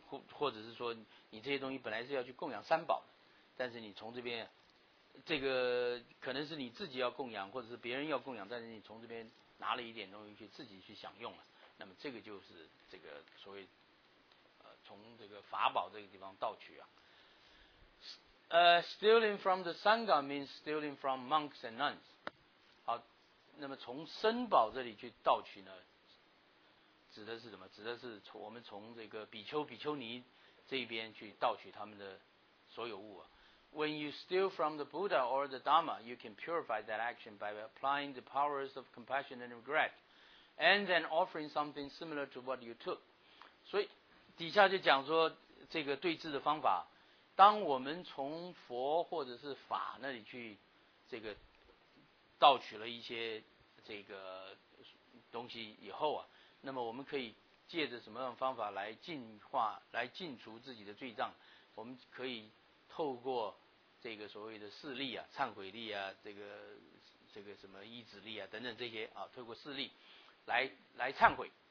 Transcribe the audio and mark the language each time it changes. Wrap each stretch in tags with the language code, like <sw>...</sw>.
<zh>或者是说你这些东西本来是要去供养三宝的，但是你从这边这个可能是你自己要供养或者是别人要供养，但是你从这边拿了一点东西去自己去享用了，那么这个就是这个所谓从这个法宝这个地方盗取啊。</zh> <en>Stealing from the Sangha means stealing from monks and nuns.</en> <zh>好，那么从僧宝这里去盗取呢，指的是什么？指的是我们从这个比丘尼这边去盗取他们的所有物啊。</zh> <en>When you steal from the Buddha or the Dharma, you can purify that action by applying the powers of compassion and regret, and then offering something similar to what you took.</en> <zh>所以底下就讲说这个对治的方法。当我们从佛或者是法那里去这个盗取了一些这个东西以后啊，那么我们可以借着什么样的方法来净化来净除自己的罪障，我们可以透过这个所谓的势力啊，忏悔力啊，这个什么依止力啊等等这些啊，透过势力来忏悔。</zh>